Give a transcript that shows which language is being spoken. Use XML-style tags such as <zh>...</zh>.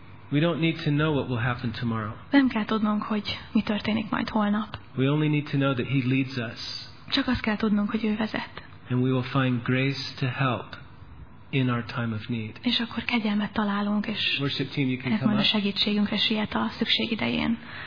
<en>We don't need to know what will happen tomorrow.</en> <hu>Nem kell tudnunk, hogy mi történik majd holnap.</hu> <en>We only need to know that he leads us.</en> <hu>Csak azt kell tudnunk, hogy ő vezet.</hu> <en>And we will find grace to help in our time of need.</en> <hu>És akkor kegyelmet találunk, és</hu> <en>worship team, you can come up.</en> <hu>Segítségünkre siet a szükség idején.</hu>